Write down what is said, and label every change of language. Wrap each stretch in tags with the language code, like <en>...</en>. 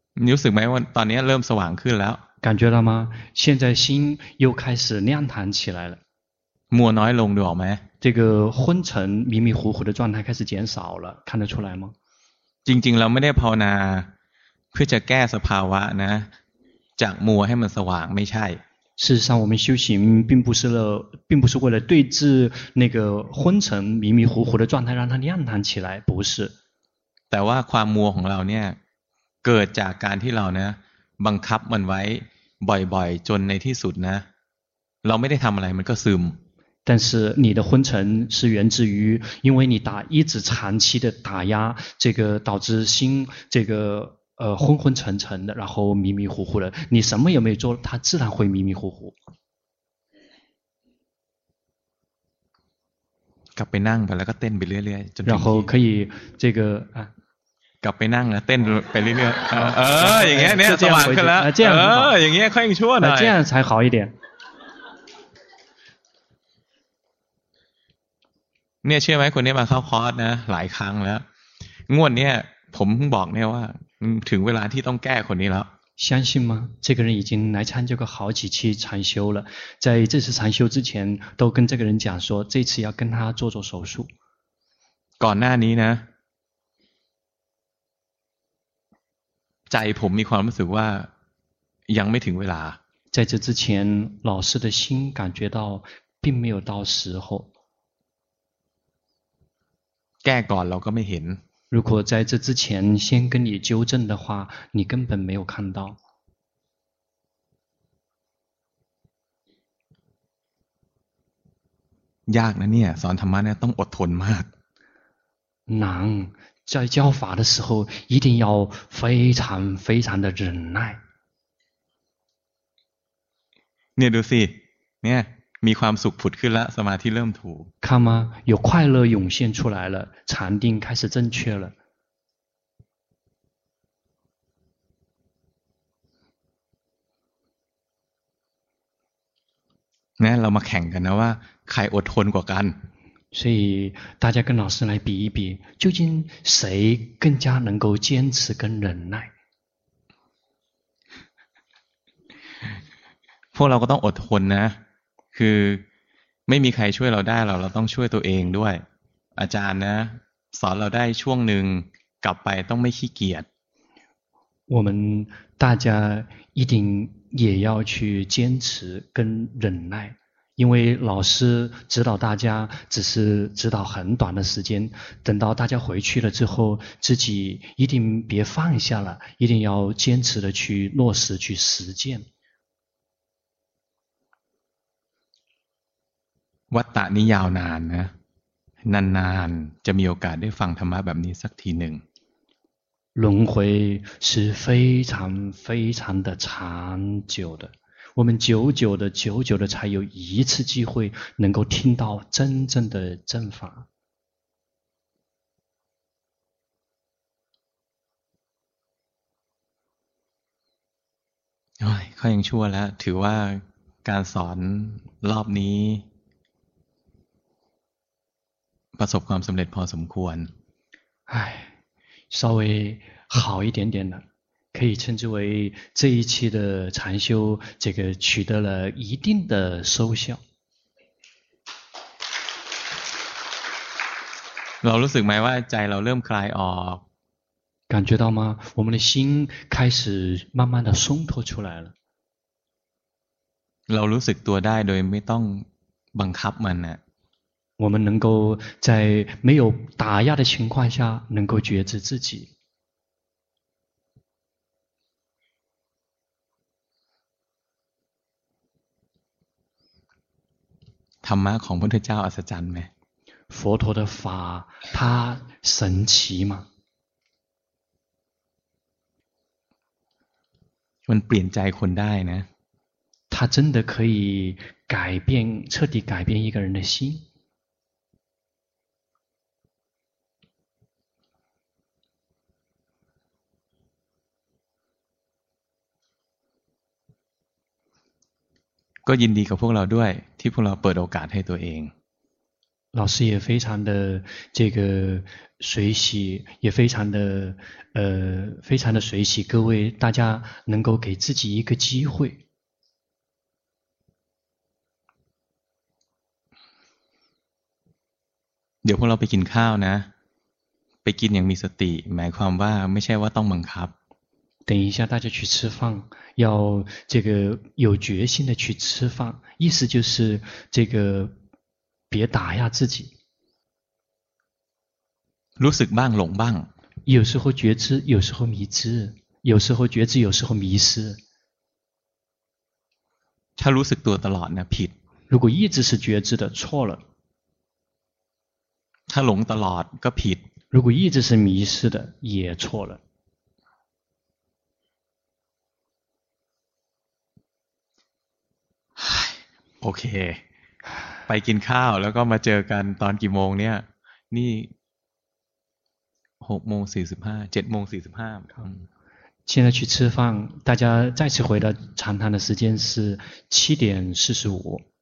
<th>รู้สึกไหมว่าตอนนี้เริ่มสว่างขึ้นแล้ว</th> <zh>感觉到吗现在心又开始亮堂起来了</zh> <th>มัวน้อยลงดูออกไหม</th> <zh>这个昏沉迷迷糊糊的状态开始减少了看得出来吗</zh> <th>จริงๆเราไม่ได้ภาวนาเพื่อจะแก้สภาวะนะจากมัวให้มันสว่างไม่ใช่</th> <zh>事实上我们修行并不是为了对治那个昏沉迷迷糊糊的状态让它亮堂起来不是</zh> <th>แต่ว่าความมัวของเราเนี่ยเกิดจากการที่เราเนี่ยบังคับมันไว้บ่อยๆจนในที่สุดนะเราไม่ได้ทำอะไรมันก็ซึม</th> <zh>但是你的昏沉是源自于因为你打一直长期的打压这个导致心这个昏昏沉沉的然后迷迷糊糊的你什么也没做他自然会迷迷糊糊</zh> <th>กลับไปนั่งไปแล้วก็เต้นไปเรื่อยๆ</th> <zh>然后可以这个</zh> <th>กลับไปนั่งแล้วเต้นไปเรื่อยๆ อย่างเงี้ยเนี่ยสว่างขึ้นแล้ว</th> <zh>这样</zh> <th>อย่างเงี้ยค่อยชั่วหน่อย</th> <zh>这样才好一点</zh> <th>เนี่ยเชื่อไหมคนนี้มาเข้าคอร์สนะหลายครั้งแล้วงวดเนี่ยผมเพิ่งบอกเนี่ยว่าถึงเวลาที่ต้องแก้คนนี้แล้ว</th> <zh>相信吗这个人已经来参加过好几期禅修了在这次禅修之前都跟这个人讲说这次要跟他做做手术</zh> <th>ก่อนหน้านี้นะใจผมมีความรู้สึกว่ายังไม่ถึงเวลา</th> <zh>在这之前老师的心感觉到并没有到时候</zh> <th>แก้ก่อนเราก็ไม่เห็น รู้ว่า</th> <zh>在这之前先跟你纠正的话你根本没有看到</zh> <th>ยากนะเนี่ยสอนธรรมะเนี่ยต้องอดทนมาก หนัง</th> <zh>在教法的时候一定要非常非常的忍耐。</zh> <th>เนี่ยดูสิเนี่ยมีความสุขผุดขึ้นละสมาธิเริ่มถูก</th> <zh>看吗有快乐涌现出来了禅定开始正确了</zh> <th>เนี่ยเรามาแข่งกันนะว่าใครอดทนกว่ากัน</th> <zh>所以大家跟老师来比一比究竟谁更加能够坚持跟忍耐</zh> <th>พวกเราก็ต้องอดทนนะคือไม่มีใครช่วยเราได้เราต้องช่วยตัวเองด้วยอาจารย์นะสอนเราได้ช่วงหนึ่งกลับไปต้องไม่ขี้เกียจ</th> <zh>我们大家一定也要去坚持跟忍耐因为老师指导大家只是指导很短的时间等到大家回去了之后自己一定别放下了一定要坚持的去落实去实践</zh> <th>วัตตะนี้ยาวนานนะนานๆจะมีโอกาสได้ฟังธรรมะแบบนี้สักทีหนึ่ง</th> <zh>轮回是非常非常的长久的我们久久的久久的才有一次机会能够听到真正的正法</zh> <th>哎ค่อยยังชั่วแล้วถือว่าการสอนรอบนี้ประสบความสำเร็จพอสมควร</th> <zh>哎稍微好一点点的可以称之为这一期的禅修这个取得了一定的收效</zh> <th>เรารู้สึกไหมว่าใจเราเริ่มคลายออก</th> <zh>感觉到吗我们的心开始慢慢的松脱出来了</zh> <th>เรารู้สึกตัวได้โดยไม่ต้องบังคับมันนะ</th> <zh>我们能够在没有打压的情况下能够觉知自己</zh> <th>ธรรมะของพระพุทธเจ้าอัศจรรย์ไหม</th> <zh>佛陀的法它神奇吗</zh> <th>มันเปลี่ยนใจคนได้นะ</th> <zh>它真的可以改变彻底改变一个人的心</zh> <th>ก็ยินดีกับพวกเราด้วยที่พวกเราเปิดโอกาสให้ตัวเอง</th> <zh>老师也非常的这个随喜也非常的非常的随喜各位大家能够给自己一个机会</zh> <th>เดี๋ยวพวกเราไปกินข้าวนะไปกินอย่างมีสติหมายความว่าไม่ใช่ว่าต้องบังคับ</th> <zh>等一下大家去吃饭要这个有决心的去吃饭意思就是这个别打压自己</zh> <th>รู้สึกบ้างหลงบ้าง</th> <zh>有时候觉知有时候迷知有时候觉知有时候迷失</zh> <th>ถ้ารู้สึกตัวตลอดนะผิด</th> <zh>如果一直是觉知的错了</zh> <th>ถ้าหลงตลอดก็ผิด</th> <zh>如果一直是迷失的也错了</zh> <th>โอเคไปกินข้าวแล้วก็มาเจอกันตอนกี่โมงเนี่ยนี่6:45</th> <zh>现在去吃饭大家再次回到长谈的时间是7:45</zh>